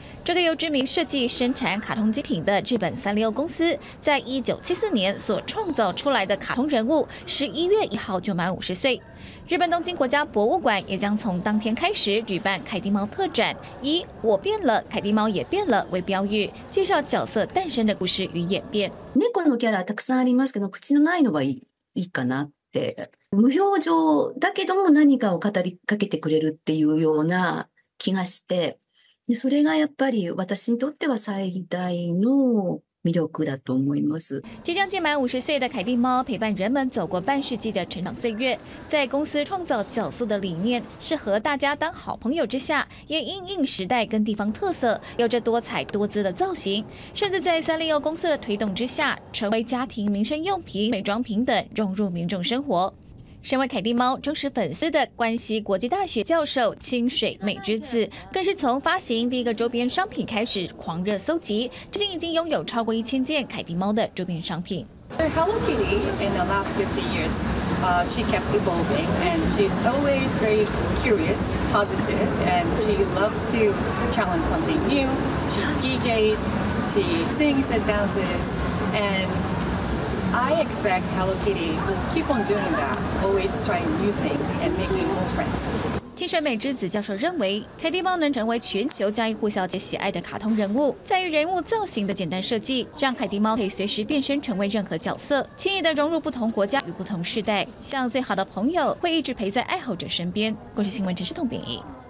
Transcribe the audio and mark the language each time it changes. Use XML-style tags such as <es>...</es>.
<zh>这个由知名设计生产卡通精品的日本三丽鸥公司，在1974年所创造出来的卡通人物，11月1号就满50岁。日本东京国家博物馆也将从当天开始举办凯蒂猫特展，以“我变了，凯蒂猫也变了”为标语，介绍角色诞生的故事与演变。</zh> <ja>猫のキャラたくさんありますけど、口のないのはいいかなって。無表情だけども何かを語りかけてくれるっていうような気がして。それがやっぱり私にとっては最大の魅力だと思います。</ja> <zh>即将届满50岁的凯蒂猫陪伴人们走过半世纪的成长岁月，在公司创造角色的理念是和大家当好朋友之下，也因应时代跟地方特色，有着多彩多姿的造型，甚至在三丽鸥公司的推动之下，成为家庭民生用品、美妆品等融入民众生活。身为凯蒂猫忠实粉丝的关西国际大学教授清水美之子，更是从发行第一个周边商品开始狂热搜集，至今已经拥有超过1000件凯蒂猫的周边商品。</zh> <en>The Hello Kitty in the last 50 years, she kept evolving, and she's always very curious, positive, and she loves to challenge something new. She DJs, she sings and dances, and I expect Hello Kitty will keep on doing that, always trying new things and making more friends.</en> <zh>清水美之子教授认为，凯蒂猫能成为全球家喻户晓且喜爱的卡通人物，在于人物造型的简单设计，让凯蒂猫可以随时变身成为任何角色，轻易地融入不同国家与不同世代，像最好的朋友，会一直陪在爱好者身边。国际新闻陈世彤编译。</zh>